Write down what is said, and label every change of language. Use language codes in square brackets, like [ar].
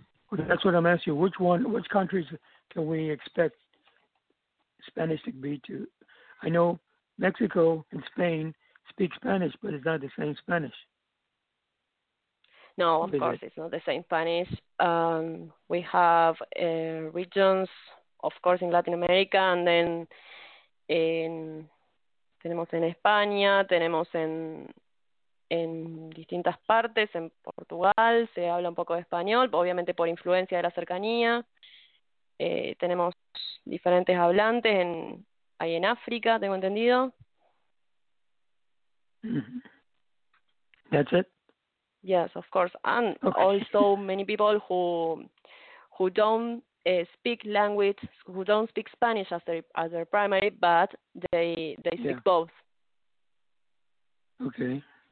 [en] Well, that's what I'm asking you. Which countries can we expect Spanish to be to? I know Mexico and Spain speak Spanish, but it's not the same Spanish. No, of course, it's not the same Spanish. We have regions, of course, in Latin America, and then [es] tenemos en España, tenemos en distintas partes, en Portugal se habla un poco de español, obviamente por influencia de la cercanía. Tenemos diferentes hablantes ahí en África, tengo entendido. [en] That's it. Yes, of course, and also many people who don't speak language, who don't speak Spanish as their primary, but they speak both. Okay.